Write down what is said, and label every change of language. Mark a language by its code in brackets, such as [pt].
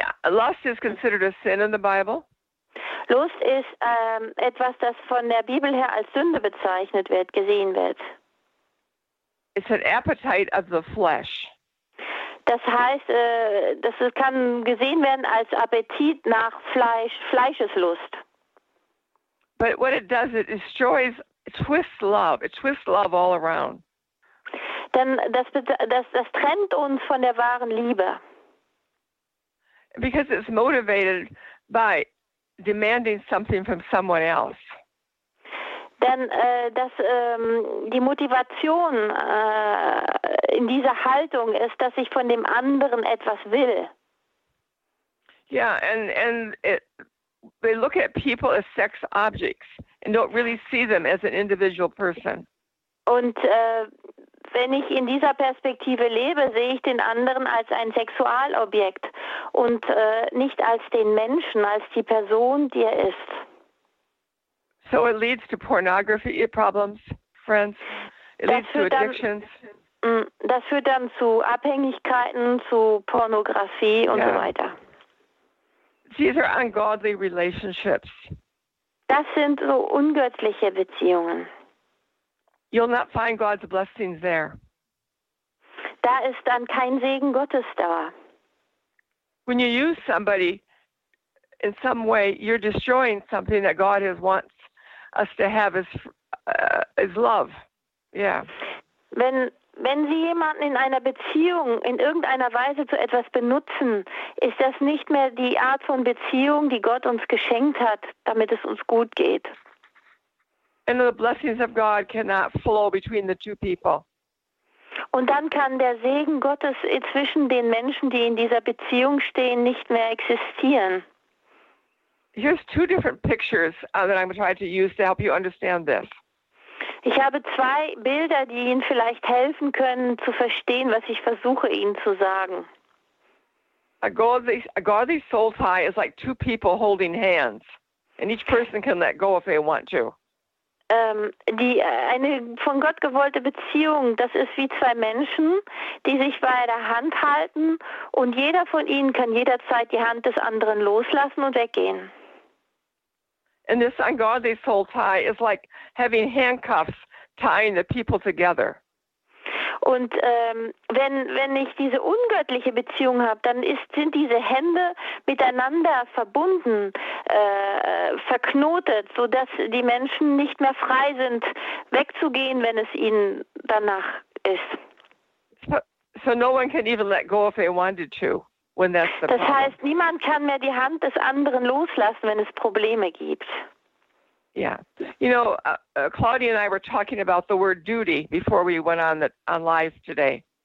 [en] Lust is considered a sin in the Bible. [de] Lust ist etwas, das von der Bibel her als Sünde bezeichnet wird, gesehen wird. [en] It's an appetite of the flesh. [de] Das heißt, das kann gesehen werden als Appetit nach Fleisch, Fleischeslust. [en] But what it does, it destroys, it twists love. It twists love all around. [de] Denn das trennt uns von der wahren Liebe. [en] Because it's motivated by demanding something from someone else. [de] Denn die Motivation in dieser Haltung ist, dass ich von dem anderen etwas will. [en] Yeah, they look at people as sex objects and don't really see them as an individual person. [de] Und wenn ich in dieser Perspektive lebe, sehe ich den anderen als ein Sexualobjekt und nicht als den Menschen, als die Person, die er ist. [en] So it leads to pornography problems, friends. It leads to addictions. [de] Das führt dann zu Abhängigkeiten, zu Pornografie und so weiter. [en] These are ungodly relationships. [de] Das sind so ungöttliche Beziehungen. [en] You'll not find God's blessings there. [de] Da ist dann kein Segen Gottes da. [en] When you use somebody in some way, you're destroying something that God has wants us to have as love. Yeah. [de] Wenn Sie jemanden in einer Beziehung in irgendeiner Weise zu etwas benutzen, ist das nicht mehr die Art von Beziehung, die Gott uns geschenkt hat, damit es uns gut geht. [en] And the blessings of God cannot flow between the two people. [de] Und dann kann der Segen Gottes zwischen den Menschen, die in dieser Beziehung stehen, nicht mehr existieren. [en] Here's two different pictures that I'm trying to use to help you understand this. [de] Ich habe zwei Bilder, die Ihnen vielleicht helfen können, zu verstehen, was ich versuche, Ihnen zu sagen. [en] A godly soul tie is like two people holding hands. And each person can let go if they want to. [de] Eine von Gott gewollte Beziehung, das ist wie zwei Menschen, die sich bei der Hand halten und jeder von ihnen kann jederzeit die Hand des anderen loslassen und weggehen. [en] And this ungodly soul tie is like having handcuffs tying the people together. [de] Und wenn ich diese ungöttliche Beziehung habe, dann sind diese Hände miteinander verbunden, verknotet, sodass die Menschen nicht mehr frei sind, wegzugehen, wenn es ihnen danach ist. [en] So no one can even let go if they wanted to, when that's the problem. [de] Das heißt, niemand kann mehr die Hand des anderen loslassen, wenn es Probleme gibt. [en] Yeah. You know, Claudia and I were talking about the word duty before we went on live today.